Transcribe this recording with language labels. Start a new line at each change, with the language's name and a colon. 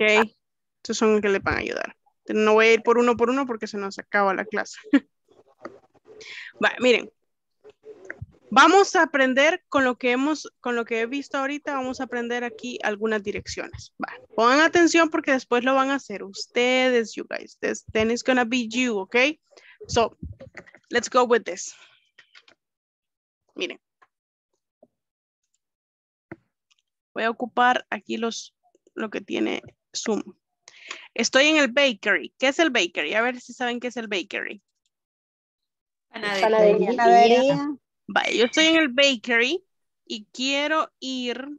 Spanish: Estos son los que le van a ayudar. No voy a ir por uno porque se nos acaba la clase. Vale, miren. Vamos a aprender con lo que he visto ahorita, vamos a aprender aquí algunas direcciones. Vale. Pongan atención porque después lo van a hacer ustedes,
English: you guys. Then it's gonna be you, okay? So, let's go with this.
Spanish: Miren. Voy a ocupar aquí los lo que tiene Zoom. Estoy en el bakery. ¿Qué es el bakery? A ver si saben qué es el bakery. Panadería. Vaya, yo estoy en el bakery y quiero ir.